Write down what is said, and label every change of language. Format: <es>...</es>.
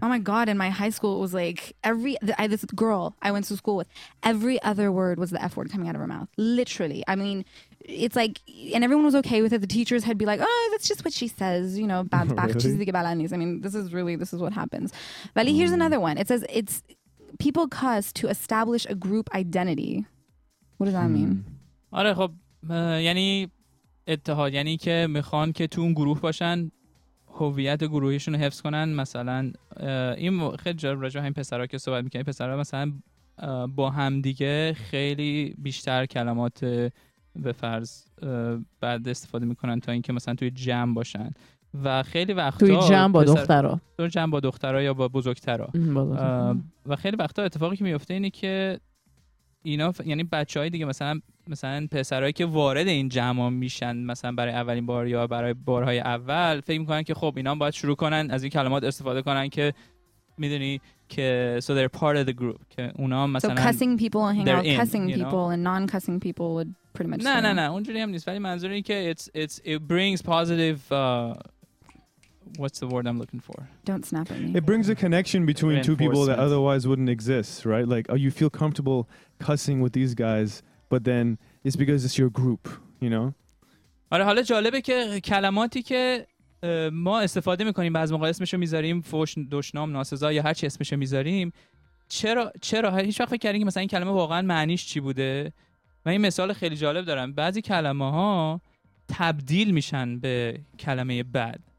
<en>Oh my God, in my high school, it was like this girl I went to school with, every other word was the F word coming out of her mouth. Literally. I mean, it's like, and everyone was okay with it. The teachers had be like, oh, that's just what she says, you know, bad really? I mean, this is what happens. But here's another one. It says, it's people cuss to establish a group identity. What does that mean?</en> <fa>آره خب یعنی اتحاد، یعنی که میخوان که تو اون گروه باشن، هویت گروهیشون رو حفظ کنن. مثلا این خیلی جالب، راجع به همین پسرها که صحبت میکنن، پسرها مثلا با هم دیگه خیلی بیشتر کلمات به فرض بعد استفاده میکنن تا اینکه مثلا توی جمع باشن. و خیلی وقتا توی جمع با دخترها، توی جمع با دخترها یا با بزرگترها، و خیلی وقتا اتفاقی که میفته اینه که اینا یعنی بچهای دیگه، مثلا پسرهایی که وارد این جمع میشن مثلا برای اولین بار یا برای بارهای اول، فکر میکنن که خب اینا باید شروع کنن از این کلمات استفاده کنن که میدونی که</fa> <en>so they're part of the group،</en> <fa>که اونا مثلا</fa> <en>so cussing people and hang out cussing people and non-cussing people would pretty much</en> <fa>نه اونجوری هم نیست، ولی منظور این که</fa> <en>it brings positive what's the word I'm looking for? Don't snap at me. It brings a connection between two people that otherwise wouldn't exist, right? Like, oh, you feel comfortable cussing with these guys. But then it's because it's your group, you know?</en> <fa>آره، حالا جالبه که کلماتی که ما استفاده میکنیم، بعضی موقع اسمشو میذاریم فوش، دشنام، ناسزا یا هر چی اسمشو میذاریم، چرا هیچ وقت فکر کردین که مثلا این کلمه واقعا معنیش چی بوده؟ من این مثال خیلی جالب دارم. بعضی کلمه ها تبدیل میشن به کلمه بد.</fa>